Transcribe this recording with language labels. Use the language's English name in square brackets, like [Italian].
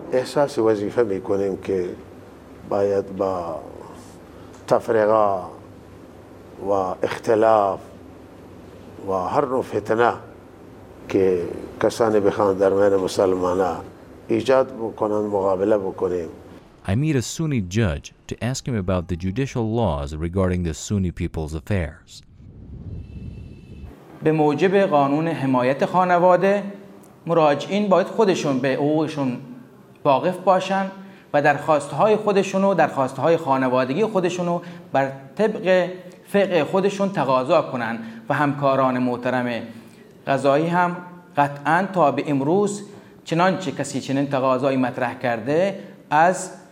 [Persian] احساس وظیفه میکنیم که باید با تفرقه و اختلاف و هر نوع فتنه که کسانی بخوان در میان مسلمانان ایجاد بکنند مقابله بکنیم. [English] I meet a Sunni judge to ask him about the judicial laws regarding the Sunni people's affairs. [Persian] به موجب قانون حمایت خانواده مراجعین باید خودشون به حقوقشون واقف باشن و درخواست‌های خودشون و درخواست‌های خانوادگی خودشون رو بر طبق فقه خودشون تقاضا کنن و همکاران محترم قضایی هم قطعاً تا به امروز چنانچه کسی چنین تقاضایی مطرح کرده از